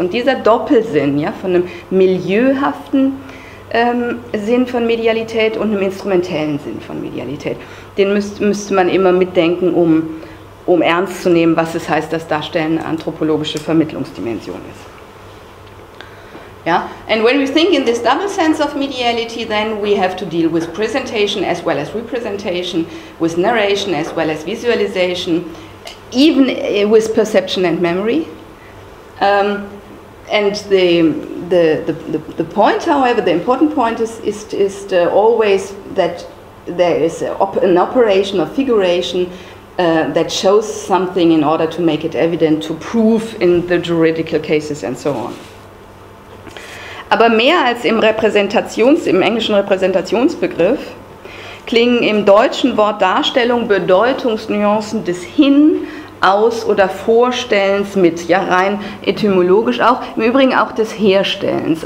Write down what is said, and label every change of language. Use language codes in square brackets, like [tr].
[de] Und dieser Doppelsinn, ja, von einem milieuhaften Sinn von Medialität und einem instrumentellen Sinn von Medialität, den müsste man immer mitdenken, um ernst zu nehmen, was es heißt, dass Darstellen eine anthropologische Vermittlungsdimension ist. Ja? [en] And when we think in this double sense of mediality, then we have to deal with presentation as well as representation, with narration as well as visualization, even with perception and memory. And the point, however, the important point is always that there is an operation of figuration that shows something in order to make it evident, to prove in the juridical cases and so on. [de] Aber mehr als im englischen Repräsentationsbegriff klingen im deutschen Wort Darstellung Bedeutungsnuancen des Hin-, Aus- oder Vorstellens mit, ja rein etymologisch auch, im Übrigen auch des Herstellens.